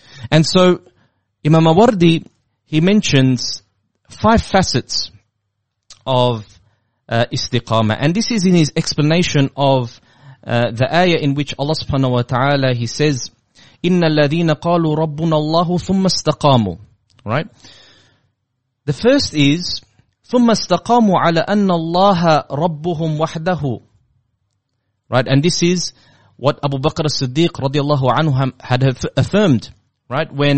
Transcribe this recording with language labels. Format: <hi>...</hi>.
<en>And so Imam Mawardi, he mentions five facets of istiqamah. And this is in his explanation of the ayah in which Allah subhanahu wa ta'ala, he says,</en> <ar>إِنَّ الَّذِينَ قَالُوا رَبُّنَ اللَّهُ ثُمَّ اسْتَقَامُوا.</ar> <en>Right? The first is,</en> <ar>ثُمَّ اسْتَقَامُوا عَلَى أَنَّ اللَّهَ رَبُّهُمْ وَحْدَهُ.</ar> <en>Right? And this is what Abu Bakr as-Siddiq radiallahu anhu had affirmed. Right?</en>